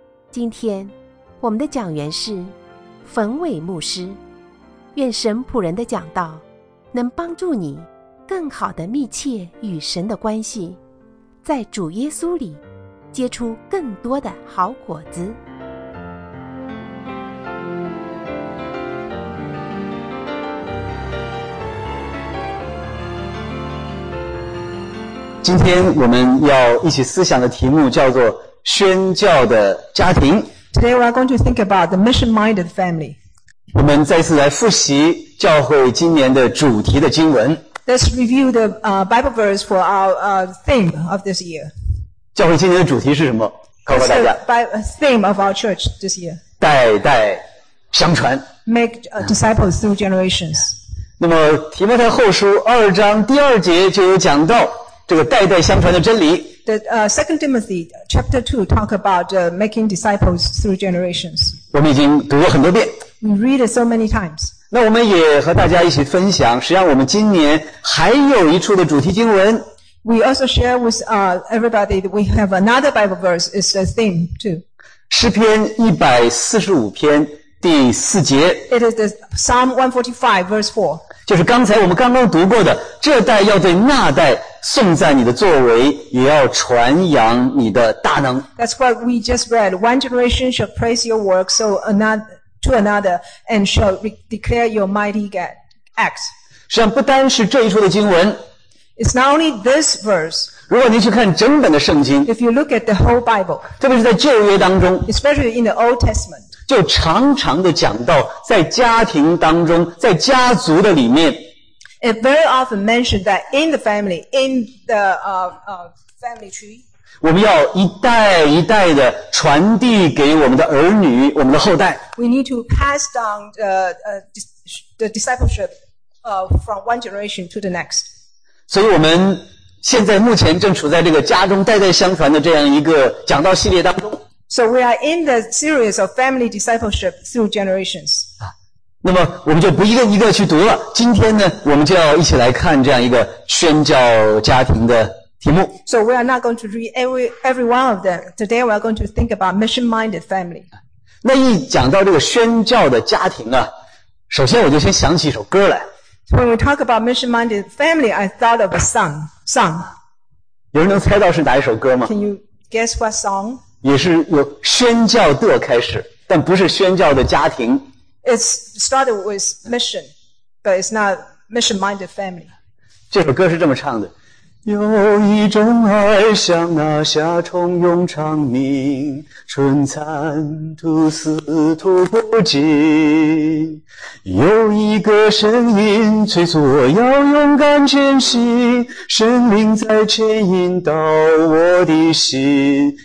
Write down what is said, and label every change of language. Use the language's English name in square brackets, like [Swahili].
[Chinese] 今天我们的讲员是冯伟牧师，愿神仆人的讲道能帮助你更好地密切与神的关系，在主耶稣里结出更多的好果子。今天我们要一起思想的题目叫做宣教的家庭。 [English] Today we are going to think about the mission-minded family. [Chinese] 我们再次来复习教会今年的主题的经文。 [English] Let's review the Bible verse for our theme of this year. [Chinese] 教会今年的主题是什么？告诉大家。 [English] It's the theme of our church this year. [Chinese] 代代相传。 [English] Make disciples through generations. [Chinese] 那么提摩太后书二章第二节就有讲到这个代代相传的真理。 [English] 2 Timothy chapter 2 talk about making disciples through generations. [Chinese] 我们已经读过很多遍。 [English] We read it so many times. [Chinese] 那我们也和大家一起分享，实际上我们今年还有一处的主题经文。 [English] We also share with everybody that we have another Bible verse is the theme too. [Chinese] 诗篇145篇第四节。 [English] It is the Psalm 145 verse 4. [Chinese] 就是刚才我们刚刚读过的，这代要对那代颂赞你的作为，也要传扬你的大能。 [English] That's what we just read. One generation shall praise your work so another, to another and shall declare your mighty acts. [Chinese] 实际上不单是这一处的经文， [English] It's not only this verse. [Chinese] 如果您去看整本的圣经， [English] If you look at the whole Bible, [Chinese] 特别是在旧约当中， [English] Especially in the Old Testament, [Chinese] 就常常的讲到在家庭当中，在家族的里面， [English] It very often mentioned that in the family, in the family tree, [Chinese] 我们要一代一代的传递给我们的儿女，我们的后代。 [English] We need to pass down the discipleship from one generation to the next. [Chinese] 所以我们现在目前正处在这个家中代代相传的这样一个讲道系列当中。 [English] So we are in the series of family discipleship through generations. [Chinese] 那么我们就不一个一个去读了，今天呢我们就要一起来看这样一个宣教家庭的题目。 [English] So we are not going to read every one of them. Today we are going to think about mission-minded family. [Chinese] 那一讲到这个宣教的家庭啊，首先我就先想起一首歌来。 [English] So when we talk about mission-minded family, I thought of a song. [Chinese] 有人能猜到是哪一首歌吗？ [English] Can you guess what song? [Chinese] 也是有宣教的开始，但不是宣教的家庭。 [English] It's started with mission, but it's not mission-minded family. [Chinese] 这首歌是这么唱的：有一种爱像那夏虫永长鸣，春蚕吐丝吐不尽。有一个声音催促我要勇敢前行，神灵在牵引到我的心。